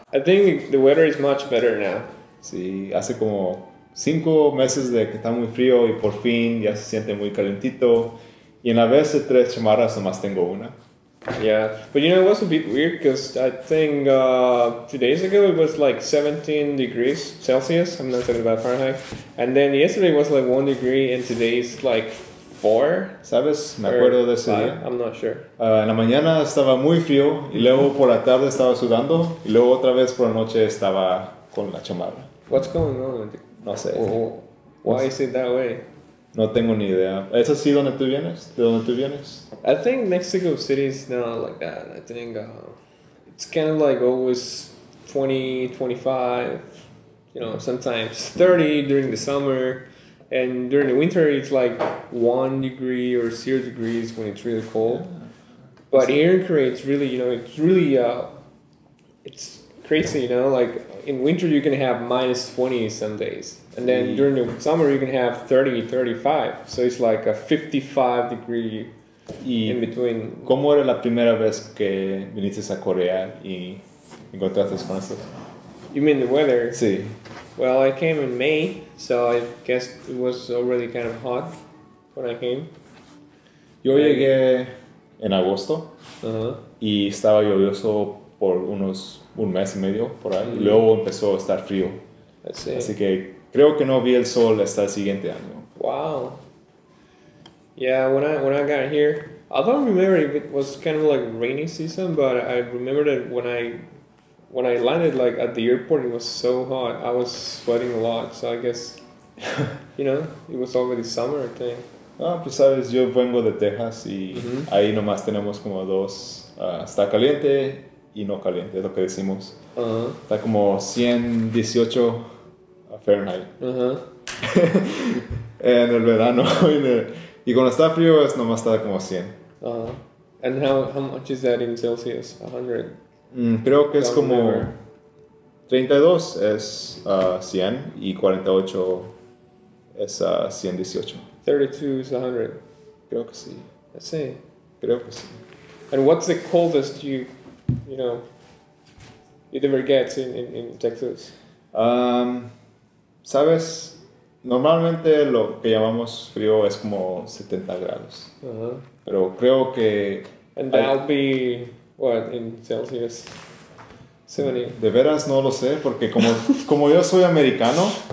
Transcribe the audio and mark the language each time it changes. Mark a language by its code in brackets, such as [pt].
[en] I think the weather is much better now. [es] Sí, hace como 5 meses de que está muy frío y por fin ya se siente muy calentito. Y en la vez de 3 chamarras, nomás tengo una. [en] Yeah, but you know, it was a bit weird because I think 2 days ago it was like 17 degrees Celsius, I'm not talking about Fahrenheit. And then yesterday was like 1 degree and today is like 4. [es] ¿Sabes? Me acuerdo de ese [en] five? [es] Día. [en] I'm not sure. [es] En la mañana estaba muy frío y luego por la tarde estaba sudando y luego otra vez por la noche estaba con la chamarra. [en] What's going on? [es] No sé. [en] Why is it that way? [es] No tengo ni idea. ¿Es así donde tú vienes? ¿De dónde tú vienes? [en] I think Mexico City is not like that. I think it's kind of like always 20, 25, you know, sometimes 30 during the summer. And during the winter, it's like 1 degree or 0 degrees when it's really cold. Yeah. But here in Korea, it's really, you know, it's really, it's crazy, you know, like in winter, you can have minus 20 some days. And then during the summer, you can have 30, 35. So it's like a 55 degree y in between. [es] ¿Cómo era la primera vez que viniste a Corea y encontraste con eso? [en] You mean the weather? [es] Sí. [en] Well, I came in May, so I guess it was already kind of hot when I came. [es] Yo llegué en agosto. Uh-huh. Y estaba lluvioso por unos un mes y medio por ahí. Mm-hmm. Y luego empezó a estar frío. [en] I see. [es] Así que creo que no vi el sol hasta el siguiente año. Wow. [en] Yeah, when I got here, I don't remember if it was kind of like rainy season, but I remember that when I landed like at the airport, it was so hot. I was sweating a lot, so I guess, you know, it was already summer, I think. [es] Ah, pues sabes, yo vengo de Texas y mm-hmm. ahí nomás tenemos como dos. Está caliente y no caliente, es lo que decimos. Uh-huh. Está como 118 Fahrenheit. Uh-huh. En el verano y cuando está frío es nomás está como 100. [en] Uh-huh. And how much is that in Celsius? 100. [es] Creo que es como 32 es 100 y 48 es 118. [en] 32 is 100. [es] Creo que sí. [en] I see. [es] Creo que sí. [en] And what's the coldest you know it ever gets in Texas? [es] Sabes, normalmente lo que llamamos frío es como 70 grados. Uh-huh. Pero creo que... [en] And that'll be, what, in Celsius? 70. [es] De veras no lo sé, porque como yo soy americano,